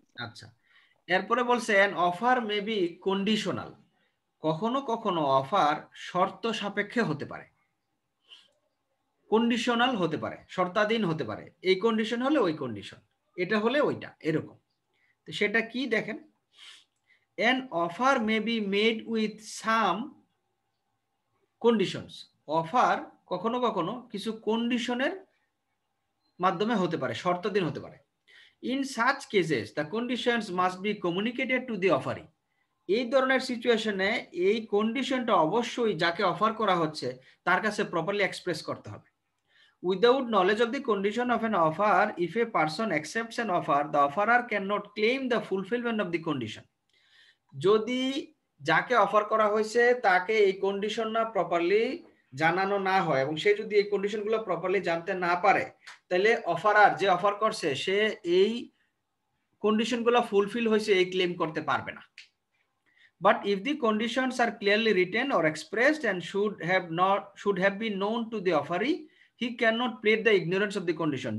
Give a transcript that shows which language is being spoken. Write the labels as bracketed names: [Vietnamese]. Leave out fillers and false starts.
[Bangla] আচ্ছা, এরপরে বলছে [English] an offer may be conditional. [Bangla] কখনো কখনো অফার শর্ত সাপেক্ষে হতে পারে, কন্ডিশনাল হতে পারে, শর্তাধীন হতে পারে, এই কন্ডিশন হলে ওই কন্ডিশন, এটা হলে ওইটা, এরকম। তো সেটা কি দেখেন, [English] an offer may be made with some conditions. [Bangla] Offer কখনো কখনো কিছু কন্ডিশনের মাধ্যমে হতে পারে, শর্তাধীন হতে পারে। [English] In such cases the conditions must be communicated to the offeree. [Bangla] এই ধরনের সিচুয়েশনে এই কন্ডিশনটা অবশ্যই যাকে অফার করা হচ্ছে তার কাছে প্রপারলি এক্সপ্রেস করতে হবে। [English] Without knowledge of the condition of an offer, if a person accepts an offer, the offerer can not claim the fulfilment of the condition. [Bangla] যদি যাকে অফার করা হয়েছে তাকে এই কন্ডিশন না প্রপারলি জানানো না হয় এবং সে যদি এই কন্ডিশনগুলো প্রপারলি জানতে না পারে, তাহলে অফারার যে অফার করছে সে এই কন্ডিশনগুলো ফুলফিল হয়েছে এই ক্লেম করতে পারবে না। [English] But if the conditions are clearly written or expressed and should have been known to the offeree, he cannot plead the ignorance of the condition.